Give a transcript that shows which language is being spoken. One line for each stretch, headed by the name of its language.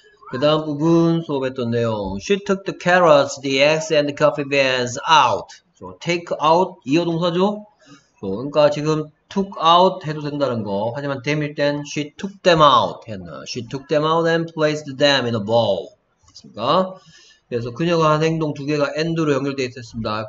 Korean: 그 다음 부분 수업했던 내용.
English: She took the carrots, the eggs, and the coffee beans out.
Korean: So, take out, 이어 동사죠? So, 그러니까 지금 took out 해도 된다는 거. 하지만
English: them일 땐 she took them out.
Korean: 했나?
English: She took them out and placed them in a bowl.
Korean: 됐습니까? 그래서 그녀가 한 행동 두 개가 end로 연결되어 있었습니다.